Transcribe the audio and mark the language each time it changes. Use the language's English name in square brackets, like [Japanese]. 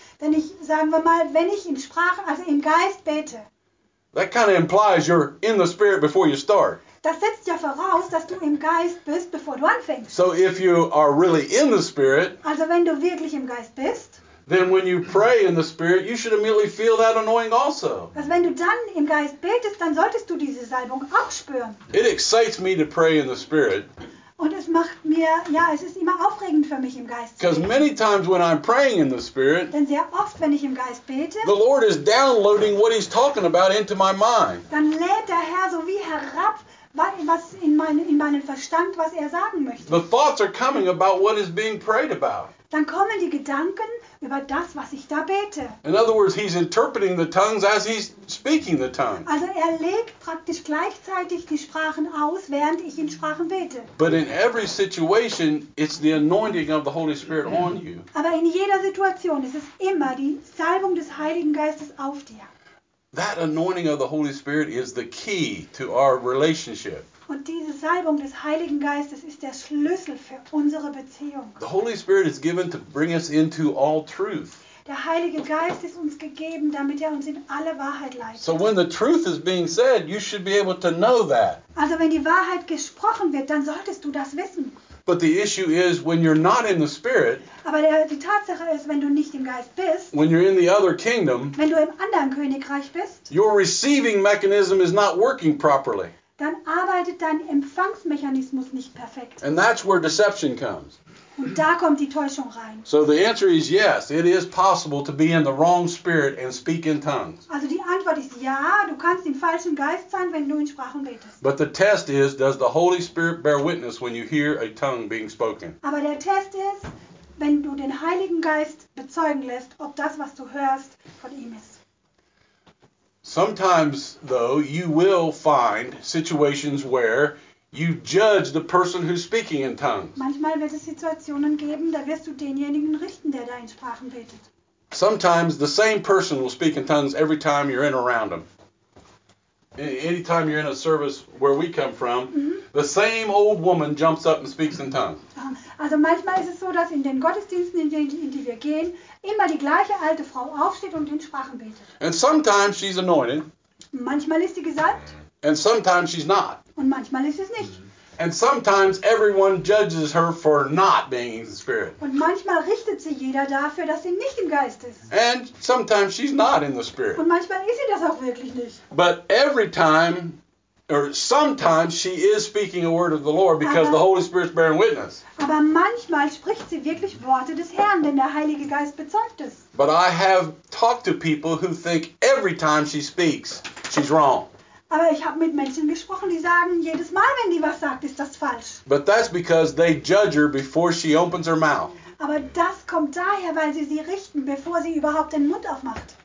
[German] denn ich sagen wir mal, wenn ich in Sprache, also im Geist bete, [English] that kind of implies you're in the spirit before you start. [German] Das setzt ja voraus, dass du im Geist bist, bevor du anfängst. [English] So if you are really in the spirit, [German] also wenn du wirklich im Geist bist, [English] then when you pray in the spirit, you should immediately feel that anointing also. [German] Also wenn du dann im Geist betest, dann solltest du diese Salbung auch spüren. [English] It excites me to pray in the spirit. [German] Und es macht mir, ja, es ist immer aufregend für mich im Geist. [English] Because many times when I'm praying in the spirit, [German] denn sehr oft wenn ich im Geist bete, [English] the Lord is downloading what He's talking about into my mind. [German] Dann lädt der Herr so wie herab, was in meinen Verstand, was er sagen möchte. [English] The thoughts are coming about what is being prayed about. [German] Dann kommen die Gedanken über das, was ich da bete. [English] In other words, he's interpreting the tongues as he's speaking the tongues. [German] Also er legt praktisch gleichzeitig die Sprachen aus, während ich in Sprachen bete. [English] But in every situation, it's the anointing of the Holy Spirit on you. [German] Aber in jeder Situation ist es immer die Salbung des Heiligen Geistes auf dir. [English] That anointing of the Holy Spirit is the key to our relationship. [German] Und diese Salbung des Heiligen Geistes ist der Schlüssel für unsere Beziehung. [English] The Holy Spirit is given to bring us into all truth. [German] Der Heilige Geist ist uns gegeben, damit er uns in alle Wahrheit leitet. [English] So when the truth is being said, you should be able to know that. [German] Also wenn die Wahrheit gesprochen wird, dann solltest du das wissen. [English] But the issue is when you're not in the spirit. [German] Aber die Tatsache ist, wenn du nicht im Geist bist. [English] When you're in the other kingdom. [German] Wenn du im anderen Königreich bist. [English] Your receiving mechanism is not working properly. [German] Dann arbeitet dein Empfangsmechanismus nicht perfekt. [English] And that's where deception comes. [German] Und da kommt die Täuschung rein. [English] So the answer is yes, it is possible to be in the wrong spirit and speak in tongues. [German] Also die Antwort ist ja, du kannst im falschen Geist sein, wenn du in Sprachen betest. [English] But the test is, does the Holy Spirit bear witness when you hear a tongue being spoken? [German] Aber der Test ist, wenn du den Heiligen Geist bezeugen lässt, ob das, was du hörst, von ihm ist. [English] Sometimes, though, you will find situations where you judge the person who's speaking in tongues. [German] Manchmal wird es Situationen geben, da wirst du denjenigen richten, der da in Sprachen betet. [English] Sometimes the same person will speak in tongues every time you're in around them. Anytime you're in a service where we come from, the same old woman jumps up and speaks in tongues. [German] Also manchmal ist es so, dass in den Gottesdiensten, in die wir gehen, immer die gleiche alte Frau aufsteht und in Sprachen betet. [English] And sometimes she's anointed. [German] Manchmal ist sie gesalbt. [English] And sometimes she's not. [German] Und manchmal ist es nicht. [English] And sometimes everyone judges her for not being in the spirit. [German] Und manchmal richtet sie jeder dafür, dass sie nicht im Geist ist. [English] And sometimes she's not in the spirit. [German] Und manchmal ist sie das auch wirklich nicht. [English] But every time, or sometimes she is speaking a word of the Lord because the Holy Spirit's bearing witness. [German] Aber manchmal spricht sie wirklich Worte des Herrn, denn der Heilige Geist bezeugt es. [English] But I have talked to people who think every time she speaks, she's wrong. [German] Aber ich habe mit Menschen gesprochen, die sagen, jedes Mal, wenn die was sagt, ist das falsch. [English] But that's because they judge her before she opens her mouth. [German] Aber das kommt daher, weil sie richten, bevor sie überhaupt den Mund aufmacht.